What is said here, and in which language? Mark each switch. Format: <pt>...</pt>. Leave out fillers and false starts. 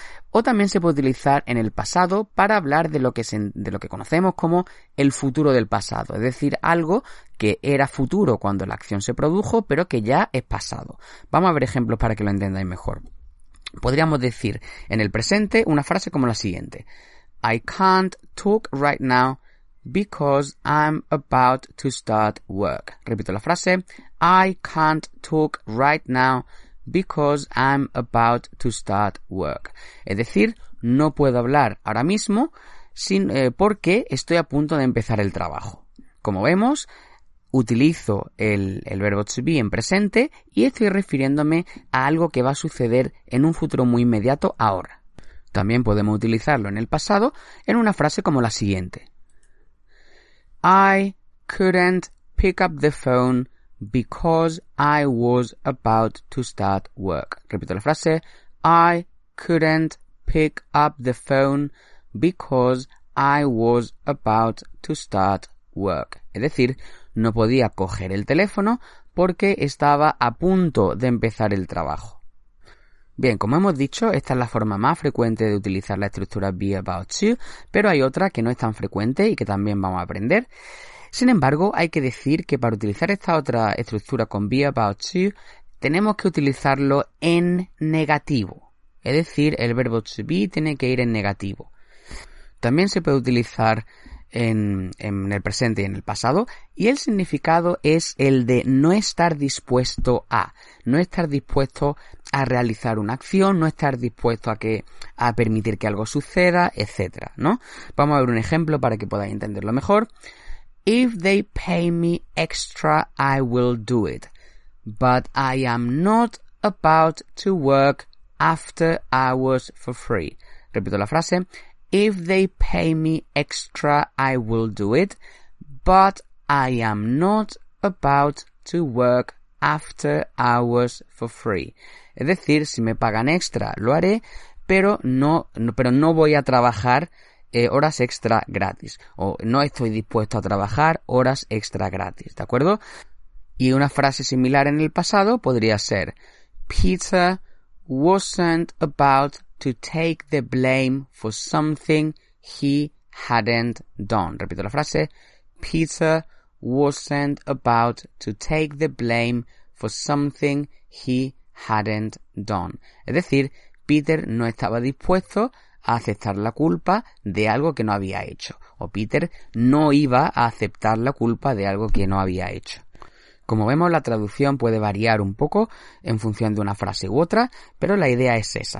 <es>O también se puede utilizar en el pasado para hablar de lo que conocemos como el futuro del pasado. Es decir, algo que era futuro cuando la acción se produjo, pero que ya es pasado. Vamos a ver ejemplos para que lo entendáis mejor. Podríamos decir en el presente una frase como la siguiente.</es> <en>I can't talk right now because I'm about to start work.</en> <es>Repito la frase.</es> <en>I can't talk right now because I'm about to start work.</en> <es>Es decir, no puedo hablar ahora mismo porque estoy a punto de empezar el trabajo. Como vemos, utilizo el verbo to be en presente y estoy refiriéndome a algo que va a suceder en un futuro muy inmediato ahora. También podemos utilizarlo en el pasado en una frase como la siguiente.</es> <en>I couldn't pick up the phone because I was about to start work.</en> <es>Repito la frase.</es> <en>I couldn't pick up the phone because I was about to start work.</en> <es>Es decir, no podía coger el teléfono porque estaba a punto de empezar el trabajo. Bien, como hemos dicho, esta es la forma más frecuente de utilizar la estructura be about to, pero hay otra que no es tan frecuente y que también vamos a aprender. Sin embargo, hay que decir que para utilizar esta otra estructura con be about to, tenemos que utilizarlo en negativo. Es decir, el verbo to be tiene que ir en negativo. También se puede utilizar en el presente y en el pasado, y el significado es el de no estar dispuesto a, no estar dispuesto a realizar una acción, no estar dispuesto a permitir que algo suceda, etcétera, ¿no? Vamos a ver un ejemplo para que podáis entenderlo mejor.</es> <en>If they pay me extra, I will do it. But I am not about to work after hours for free.</en> <es>Repito la frase.</es> <en>If they pay me extra, I will do it. But I am not about to work after hours for free.</en> <es>Es decir, si me pagan extra, lo haré, pero no voy a trabajar horas extra gratis, o no estoy dispuesto a trabajar horas extra gratis, ¿de acuerdo? Y una frase similar en el pasado podría ser</es> <en>Peter wasn't about to take the blame for something he hadn't done.</en> <es>Repito la frase.</es> <en>Peter wasn't about to take the blame for something he hadn't done.</en> <es>Es decir, Peter no estaba dispuesto a aceptar la culpa de algo que no había hecho. O Peter no iba a aceptar la culpa de algo que no había hecho. Como vemos, la traducción puede variar un poco en función de una frase u otra, pero la idea es esa.</es>